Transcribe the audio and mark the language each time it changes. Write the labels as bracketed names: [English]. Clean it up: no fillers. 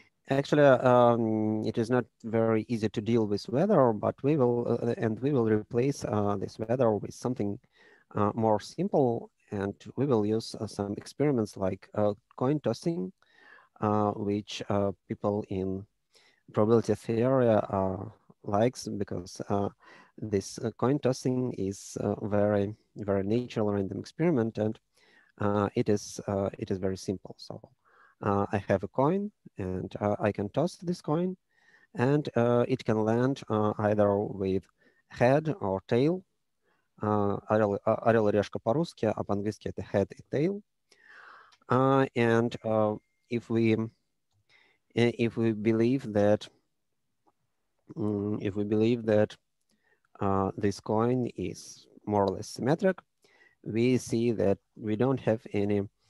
[English] Actually, it is not very easy to deal with weather, but we will replace this weather with something more simple, and we will use some experiments like coin tossing, which people in probability theory likes, because this coin tossing is a very, very natural random experiment, and it is very simple. So I have a coin, and I can toss this coin, and it can land either with head or tail. [Russian] Орел и решка по-русски, а по-английски это head и tail. [English] And if we believe that this coin is more or less symmetric, we see that we don't have any